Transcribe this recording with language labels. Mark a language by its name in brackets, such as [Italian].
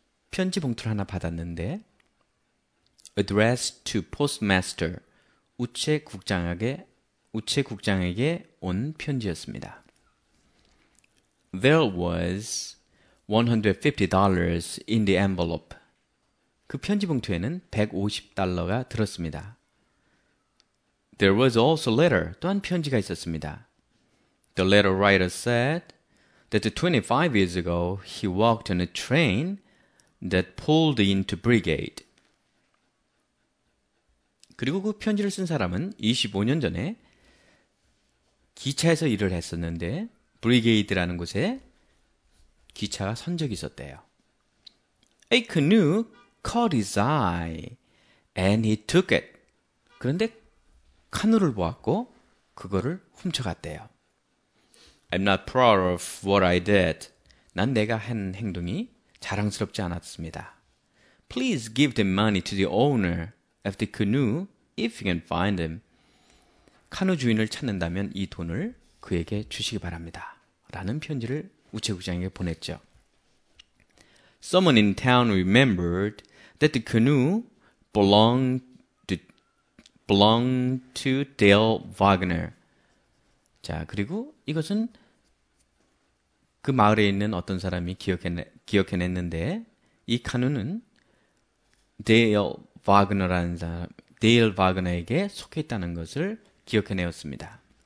[Korean] 편지 봉투를 하나 받았는데, [English] addressed to postmaster, [Korean] 우체국장에게 온 편지였습니다. [English] There was $150 in the envelope. [Korean] 그 편지 봉투에는 150달러가 들었습니다. [English] There was also a letter, [Korean] 또한 편지가 있었습니다. [English] The letter writer said that 25 years ago he walked on a train that pulled into brigade. [Korean] 그리고 그 편지를 쓴 사람은 25년 전에 기차에서 일을 했었는데, 브리게이드라는 곳에 기차가 선 적이 있었대요. [English] A canoe caught his eye and he took it. [Korean] 그런데 카누를 보았고 그거를 훔쳐갔대요. [English] I'm not proud of what I did. [Korean] 난 내가 한 행동이 자랑스럽지 않았습니다. [English] Please give the money to the owner of the canoe if you can find him. [Korean] 카누 주인을 찾는다면 이 돈을 그에게 주시기 바랍니다. 라는 편지를 우체국장에게 보냈죠. [English] Someone in town remembered that the canoe belonged to Dale Wagner. [Korean] 자, 그리고 이것은 그 마을에 있는 어떤 사람이 기억해냈는데, 이 카누는 데일 와그너에게 속해 있다는 것을 기억해내었습니다.